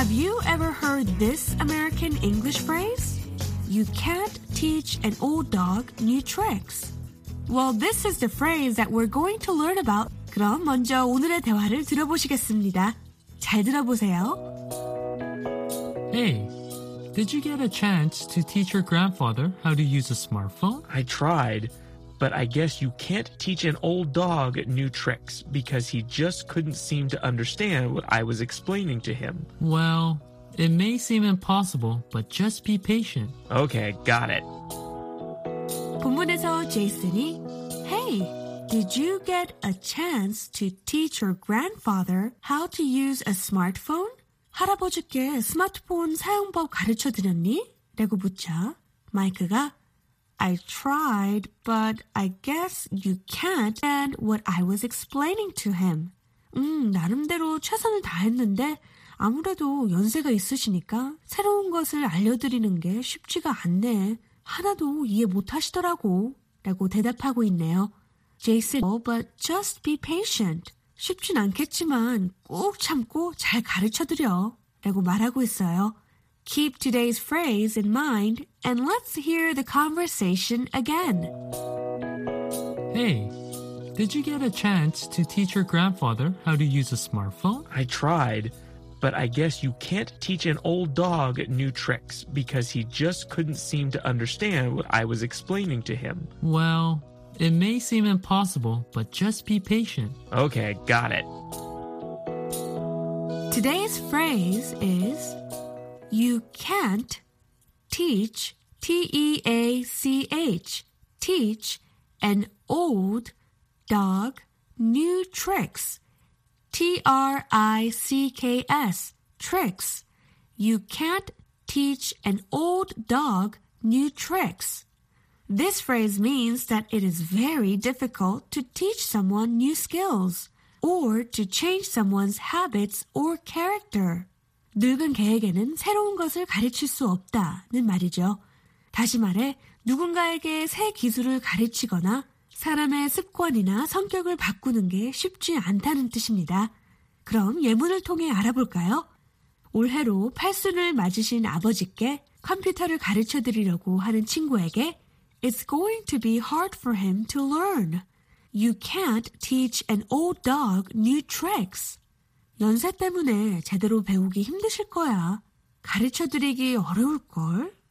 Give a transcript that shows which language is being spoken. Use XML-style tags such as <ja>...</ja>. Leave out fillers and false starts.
<en>그 You can't teach an old dog new tricks. Well, this is the phrase that we're going to learn about.</en> <ko>그럼 먼저 오늘의 대화를 들어보시겠습니다. 잘 들어보세요.</ko> <en>Hey, did you get a chance to teach your grandfather how to use a smartphone? I tried, but I guess you can't teach an old dog new tricks because he just couldn't seem to understand what I was explaining to him. Well... It may seem impossible, but just be patient. Okay, got it.</en> <ko>본문에서 제이슨이</ko> <en>Hey, did you get a chance to teach your grandfather how to use a smartphone?</en> <ko>할아버지께 스마트폰 사용법 가르쳐드렸니? 라고 묻자 마이크가</ko> <en>I tried, but I guess you can't understand what I was explaining to him.</en> <ko>나름대로 최선을 다했는데 아무래도 연세가 있으시니까 새로운 것을 알려드리는 게 쉽지가 않네. 하나도 이해 못하시더라고. 라고 대답하고 있네요.</ko> <en>Jason, but just be patient.</en> <ko>쉽진 않겠지만 꼭 참고 잘 가르쳐드려. 라고 말하고 있어요.</ko> <en>Keep today's phrase in mind and let's hear the conversation again. Hey, did you get a chance to teach your grandfather how to use a smartphone? I tried. But I guess you can't teach an old dog new tricks because he just couldn't seem to understand what I was explaining to him. Well, it may seem impossible, but just be patient. Okay, got it. Today's phrase is you can't teach, T-E-A-C-H, teach an old dog new tricks. T-R-I-C-K-S, tricks. You can't teach an old dog new tricks. This phrase means that it is very difficult to teach someone new skills or to change someone's habits or character.</en> <ko>늙은 개에게는 새로운 것을 가르칠 수 없다는 말이죠. 다시 말해, 누군가에게 새 기술을 가르치거나 사람의 습관이나 성격을 바꾸는 게 쉽지 않다는 뜻입니다. 그럼 예문을 통해 알아볼까요? 올해로 팔순을 맞으신 아버지께 컴퓨터를 가르쳐드리려고 하는 친구에게</ko> <en>It's going to be hard for him to learn. You can't teach an old dog new tricks.</en> <ko>연세 때문에 제대로 배우기 힘드실 거야. 가르쳐드리기 어려울걸?</ko>